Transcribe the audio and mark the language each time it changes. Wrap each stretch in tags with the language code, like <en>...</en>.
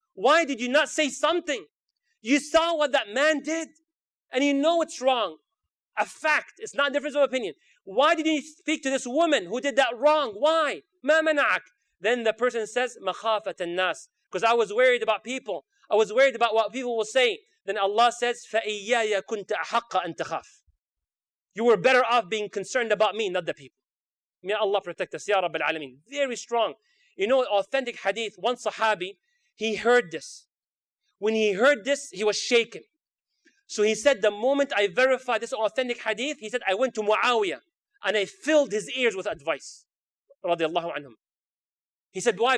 <en>Why did you not say something? You saw what that man did and you know it's wrong. A fact, it's not a difference of opinion. Why did you speak to this woman who did that wrong? Why?</en> <ar>مَا مَنَعَكْ.</ar> <en>Then the person says,</en> <ar>مَخَافَةَ النَّاسِ.</ar> <en>Because I was worried about people. I was worried about what people will say. Then Allah says,</en> <ar>فَإِيَّايَ كُنْتَ أَحَقَّ أَنْ تَخَافِ.</ar> <en>You were better off being concerned about me, not the people. May Allah protect us, Ya Rabbi Al-Alameen. Very strong. You know, authentic hadith, one sahabi, he heard this. When he heard this, he was shaken. So he said, the moment I verified this authentic hadith, he said, I went to Muawiyah and I filled his ears with advice. Radiallahu anhum. He said, why?</en>